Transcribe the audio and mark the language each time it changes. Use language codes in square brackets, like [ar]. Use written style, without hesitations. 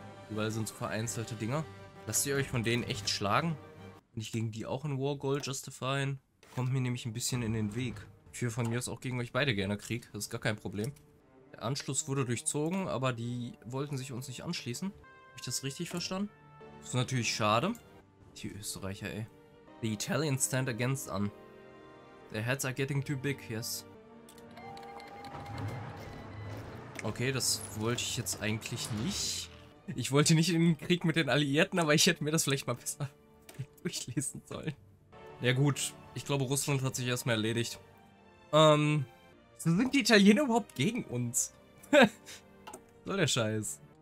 [de] Überall sind so vereinzelte Dinger. Lasst ihr euch von denen echt schlagen? Bin ich gegen die auch in War Goal justifyen? Kommt mir nämlich ein bisschen in den Weg. Ich führe von mir aus auch gegen euch beide gerne Krieg. Das ist gar kein Problem. Der Anschluss wurde durchzogen, aber die wollten sich uns nicht anschließen. Habe ich das richtig verstanden? Das ist natürlich schade. Die Österreicher, ey. [en] The Italians stand against us. Their heads are getting too big, yes. [de] Okay, das wollte ich jetzt eigentlich nicht. Ich wollte nicht in den Krieg mit den Alliierten, aber ich hätte mir das vielleicht mal besser durchlesen sollen. Ja gut, ich glaube, Russland hat sich erstmal erledigt. So sind die Italiener überhaupt gegen uns? Soll der Scheiß.